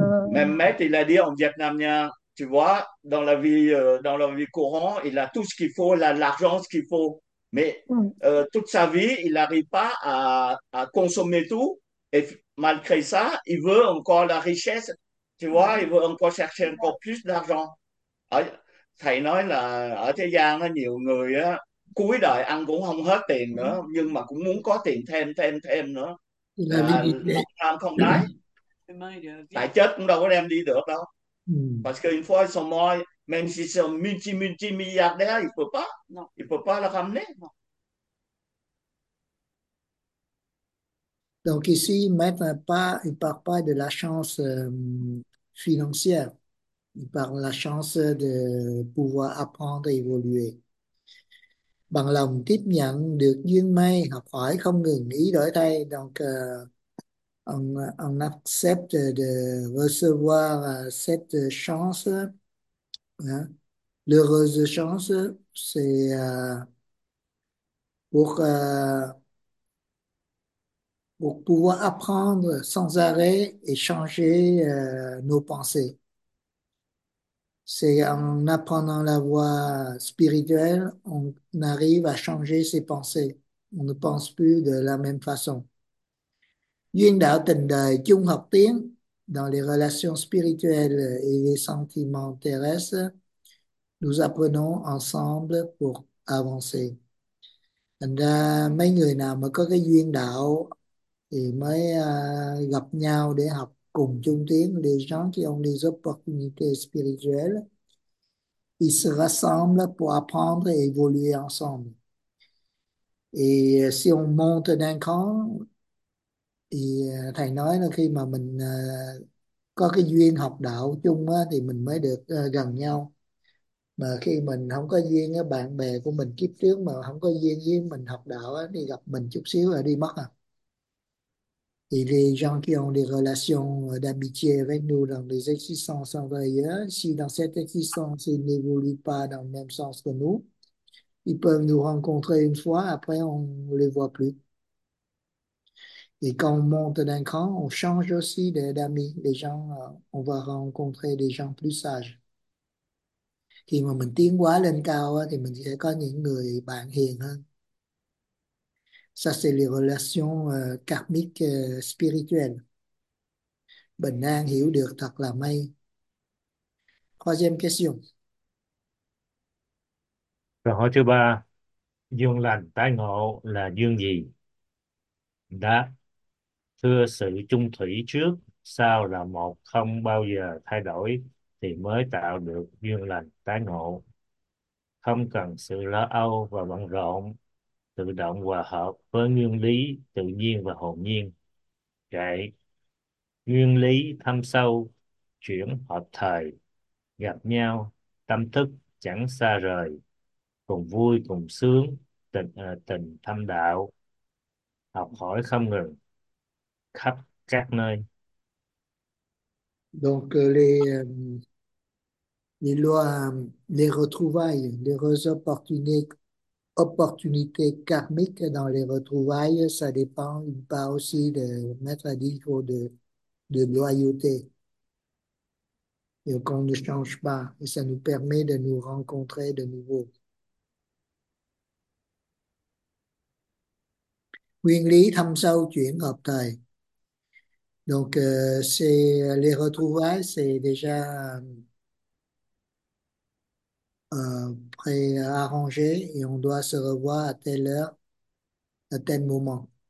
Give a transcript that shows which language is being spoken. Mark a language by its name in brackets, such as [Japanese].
[French] Même maître, il a dit en vietnamien, tu vois, dans la vie courante, il a tout ce qu'il faut, l'argent, ce qu'il faut. Mais toute sa vie, il n'arrive pas à consommer tout. Et malgré ça, il veut encore la richesse. Tu vois, il veut encore chercher encore plus d'argent. [Vietnamese] Thầy nói là ở thế gian, nhiều người cuối đời ăn cũng không hết tiền nữa, nhưng mà cũng muốn có tiền thêm, thêm nữa. Là không tham, không đáy. Tại chết cũng đâu có đem đi được đâu. [French] Non. Parce qu'une fois ils sont morts, même si c'est un multi-multi-milliardaire, il peut pas le ramener. Donc ici, maître pas, il parle pas de la chance financière. Il parle de la chance de pouvoir apprendre et évoluer. [Vietnamese] Bằng lòng tiếp nhận được duyên may, học hỏi không ngừng, ý đổi thay. [French] Donc, on accepte de recevoir cette chance. L'heureuse chance, c'est pour pouvoir apprendre sans arrêt et changer nos pensées. C'est en apprenant la voie spirituelle, on arrive à changer ses pensées. On ne pense plus de la même façon. [Vietnamese] Duyên đạo tình đời chung học tiếng [French] dans les relations spirituelles et les sentiments terrestres, nous apprenons ensemble pour avancer. [Vietnamese] Thành ra mấy người nào mà có cái duyên đạo thì mới gặp nhau để học cùng chung tiếng. [French] Les gens qui ont des opportunités spirituelles, ils se rassemblent pour apprendre et évoluer ensemble. Et si on monte d'un cran, [Vietnamese] thì thầy nói là khi mà mình có cái duyên học đạo chung thì mình mới được gần nhau. Mà khi mình không có duyên với bạn bè của mình kiếp trước mà không có duyên với mình học đạo thì gặp mình chút xíu là đi mất à. [French] Et les gens qui ont des relations d'amitié avec nous dans des existences en ailleurs, si dans cette existence, ils n'évoluent pas dans le même sens que nous, ils peuvent nous rencontrer une fois, après on ne les voit plus. Et quand on monte d'un cran, on change aussi d'amis. Les gens, on va rencontrer des gens plus sages. [Vietnamese] Khi mà mình tiến quá lên cao á, thì mình sẽ có những người bạn hiền hơn. [French] Ça, c'est les relations karmiques spirituelles. [Vietnamese] Bình an hiểu được thật là may. [French] Troisième question. [Vietnamese] Câu hỏi thứ ba, duyên lành tái ngộ là duyên gì? Đáp, thưa sự chung thủy trước, sau là một không bao giờ thay đổi thì mới tạo được duyên lành tái ngộ. Không cần sự lo âu và bận rộn, tự động hòa hợp với nguyên lý tự nhiên và hồn nhiên. Kệ, nguyên lý thâm sâu, chuyển hợp thời, gặp nhau, tâm thức chẳng xa rời. Cùng vui cùng sướng tình tình thâm đạo học hỏi không ngừng khắp các nơi. [French] Donc les lois, les retrouvailles, les opportunités karmiques dans les retrouvailles, ça dépend une part aussi de mettre à niveau de loyauté. Et qu'on ne change pas, et ça nous permet de nous rencontrer de nouveau. [Vietnamese] Nguyên lý thâm sâu chuyển hợp thời. [French] Donc, c'est les retrouvailles, c'est déjà préarrangé et on doit se revoir à telle heure, à tel moment.